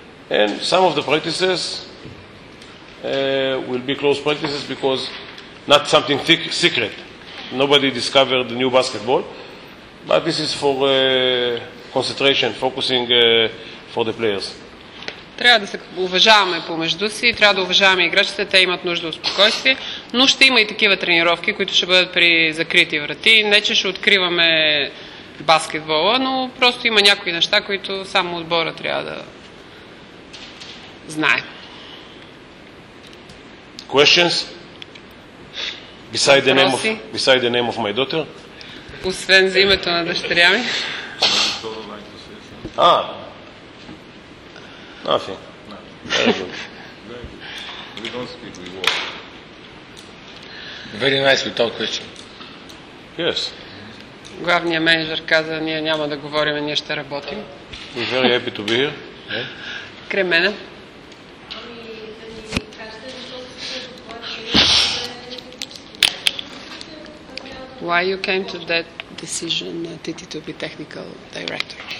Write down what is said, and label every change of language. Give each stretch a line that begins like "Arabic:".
English: And some of the practices will be close practices because not something secret. Nobody discovered the new basketball, but this is for concentration, focusing for the players.
Bulgarian: Трябва да се уважаваме помежду си, трябва да уважаваме играчите, те имат нужда от спокойствие, но ще има и такива тренировки, които ще бъдат при закрити врати. Не че ще откриваме баскетбола, но просто има някои неща, които само отбора трябва да знае.
English: Questions? Beside the name of my daughter?
Bulgarian: Освен за името на дъщеря ми.
English: Nothing. Very good. We don't speak, we walk. Very nice, we talk, yes.
Bulgarian: Главният менеджер каза, ние няма да говорим, ние ще работим.
English: We're very happy to be here.
Bulgarian: Кремена.
English: Why you came to that decision, Titi, to be technical director?